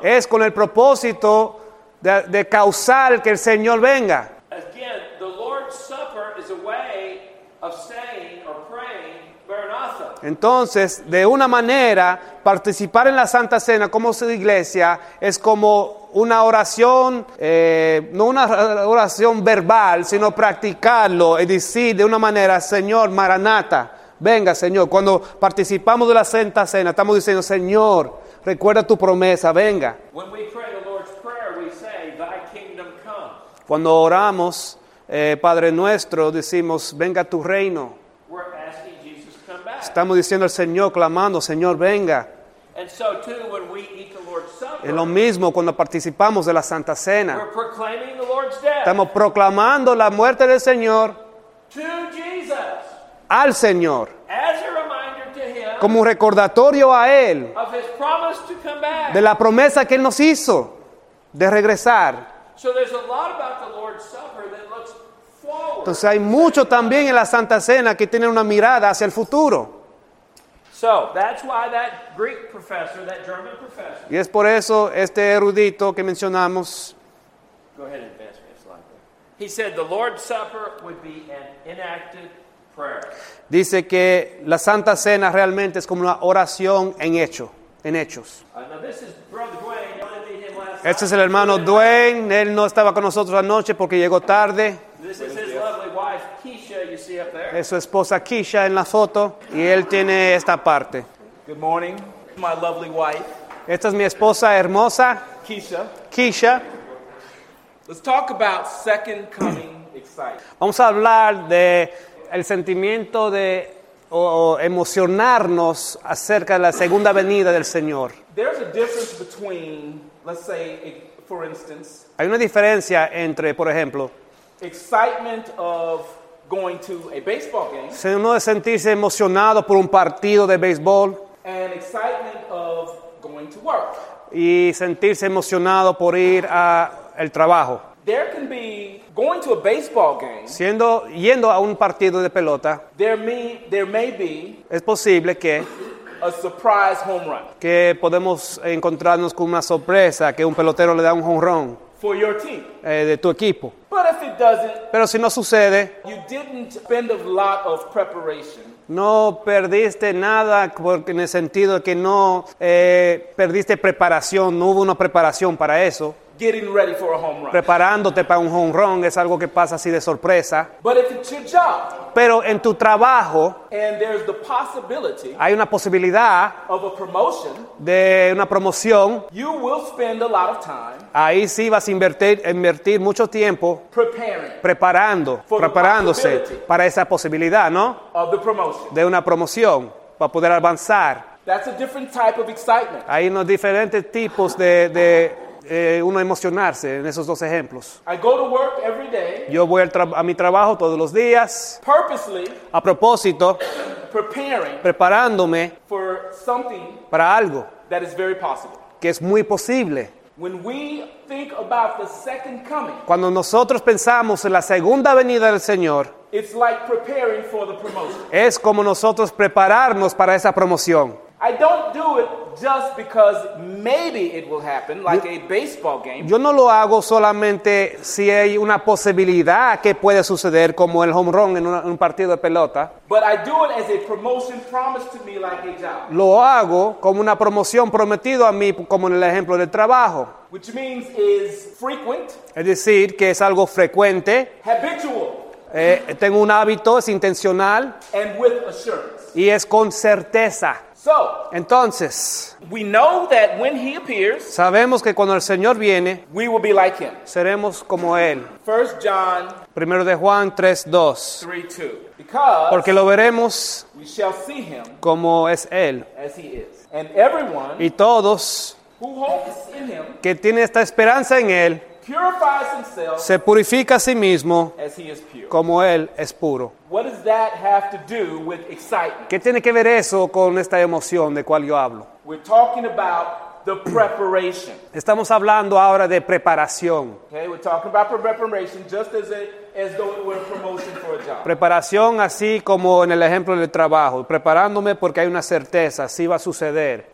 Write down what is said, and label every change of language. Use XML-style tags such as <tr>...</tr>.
<es>Es con el propósito de causar que el Señor venga.</es> <en>Again, the Lord's Supper is a way of saying or praying, Maranatha.</en> <es>Entonces, de una manera, participar en la Santa Cena como su iglesia es como una oración, no una oración verbal, sino practicarlo y decir de una manera, Señor, Maranata, venga, Señor. Cuando participamos de la Santa Cena, estamos diciendo, Señor, recuerda tu promesa, venga.</es> <en>When we pray the Lord's Prayer, we say, thy kingdom come.</en> <es>Cuando oramos, Padre nuestro, decimos, venga tu reino.</es> <en>We're asking Jesus to come back.</en> <es>Estamos diciendo al Señor, clamando, Señor, venga.</es> <en>And so too, when we eat the Lord's Supper,</en> <es>es lo mismo cuando participamos de la Santa Cena.</es> <en>We're proclaiming the Lord's death.</en> <es>Estamos proclamando la muerte del Señor</es> <en>to Jesus,</en> <es>al Señor,</es> <en>as a reminder to him,</en> <es>como un recordatorio a Él,</es> <en>of his promise to come back,</en> <es>de la promesa que Él nos hizo de regresar.</es> <en>So there's a lot about the Lord's Supper that looks forward.</en> <es>Entonces hay mucho también en la Santa Cena que tiene una mirada hacia el futuro.</es> <en>So that's why that Greek professor, that German professor.</en> <es>Y es por eso este erudito que mencionamos.</es> <en>Go ahead and advance me a slide. He said the Lord's Supper would be an enacted prayer.</en> <es>Dice que la Santa Cena realmente es como una oración en hecho, en hechos.</es> <en>Now this is Brother Dwayne.</en> <es>Este es el hermano Dwayne. Él no estaba con nosotros anoche porque llegó tarde.</es> <en>This is his lovely wife, Keisha, you see up there.</en> <es>Es su esposa Keisha en la foto y él tiene esta parte.</es> <en>Good morning, my lovely wife.</en> <es>Esta es mi esposa hermosa, Keisha. Keisha.</es> <en>Let's talk about second coming excitement.</en> <es>Vamos a hablar de el sentimiento de o emocionarnos acerca de la segunda venida del Señor.</es> <en>There's a difference between, let's say, for instance.</en> <es>Hay una diferencia entre, por ejemplo,</es> <en>excitement of going to a baseball game.</en> <es>Si uno de sentirse emocionado por un partido de béisbol.</es> <en>And excitement of going to work.</en> <es>Y sentirse emocionado por ir a el trabajo.</es> <en>There can be going to a baseball game.</en> <es>Siendo yendo a un partido de pelota.</es> <en>There may be.</en> <es>Es posible que.</es> <en>A surprise home run.</en> <es>Que podemos encontrarnos con una sorpresa, que un pelotero le da un home run.</es> <en>For your team.</en> <es>De tu equipo.</es> <en>But if it doesn't.</en> <es>Pero si no sucede.</es> <en>You didn't spend a lot of preparation.</en> <es>No perdiste nada porque en el sentido que no perdiste preparación, no hubo una preparación para eso.</es> <en>Getting ready for a home run.</en> <es>Preparándote para un home run es algo que pasa así de sorpresa.</es> <en>But if it's your job,</en> <es>pero en tu trabajo,</es> <en>and there's the possibility,</en> <es>hay una posibilidad</es> <en>of a promotion,</en> <es>de una promoción.</es> <en>You will spend a lot of time,</en> <es>ahí sí vas a invertir mucho tiempo preparándose para esa posibilidad, ¿no?</es> <en>Of the promotion.</en> <es>De una promoción para poder avanzar.</es> <en>That's a different type of excitement.</en> <es>Hay unos diferentes tipos de uno emocionarse en esos dos ejemplos.</es> <en>I go to work every day.</en> <es>Yo voy a mi trabajo todos los días.</es> <en>Purposely.</en> <es>A propósito.</es> <en>Preparing.</en> <es>Preparándome.</es> <en>For something.</en> <es>Para algo.</es> <en>That is very possible.</en> <es>Que es muy posible.</es> <en>When we think about the second coming.</en> <es>Cuando nosotros pensamos en la segunda venida del Señor.</es> <en>It's like preparing for the promotion.</en> <es>Es como nosotros prepararnos para esa promoción.</es> <en>I don't do it just because maybe it will happen, like a baseball game.</en> <es>Yo no lo hago solamente si hay una posibilidad que puede suceder, como el home run en un partido de pelota.</es> <en>But I do it as a promotion promised to me, like a job.</en> <es>Lo hago como una promoción prometido a mí, como en el ejemplo del trabajo.</es> <en>Which means is frequent.</en> <es>Es decir, que es algo frecuente. Habitual. Tengo un hábito, es intencional.</es> <en>And with assurance.</en> <es>Y es con certeza.</es> <en>So,</en> <es>entonces,</es> <en>we know that when he appears,</en> <es>sabemos que cuando el Señor viene,</es> <en>we will be like him.</en> <es>Seremos como él.</es> <en>1 John,</en> <es>primero de Juan 3:2. 3:2. Porque lo veremos,</es> <en>we shall see him</en> <es>como es él.</es> <en>As he is. And everyone,</en> <es>y todos,</es> <en>who hopes in him,</en> <es>que tiene esta esperanza en él,</es> <en>purifies himself,</en> <es>se purifica a sí mismo,</es> <en>as he is pure.</en> <es>Como él es puro.</es> <en>What does that have to do with excitement?</en> <es>¿Qué tiene que ver eso con esta emoción de cual yo hablo?</es> <en>We're talking about the preparation.</en> <es>Estamos hablando ahora de preparación.</es> <en>Okay, we're talking about preparation just as though it were a promotion for a job.</en> <es>Preparación así como en el ejemplo del trabajo, preparándome porque hay una certeza, así va a suceder.</es>